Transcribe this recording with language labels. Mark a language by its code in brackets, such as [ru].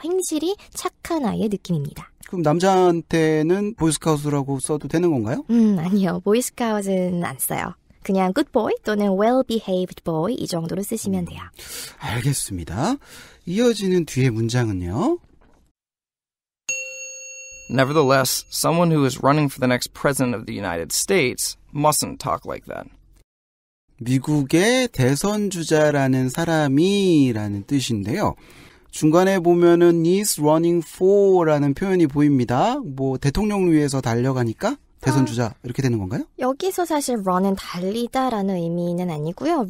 [ko] 행실이 착한 아이의 느낌입니다. 그럼 남자한테는 보이스카우트라고 써도 되는 건가요? 아니요. 보이스카우트는 안 써요. 그냥 good boy 또는 well-behaved boy 이 정도로 쓰시면 돼요. 알겠습니다. 이어지는 뒤에 문장은요. [en] Nevertheless, someone who is running for the next president of the United States mustn't talk like that. [ko] 미국의 대선 주자라는 사람이라는 뜻인데요. 중간에 보면은 is running for라는 표현이 보입니다. 뭐 대통령 위해서 달려가니까? 대선 주자 이렇게 되는 건가요? 여기서 사실 run은 달리다라는 의미는 아니고요.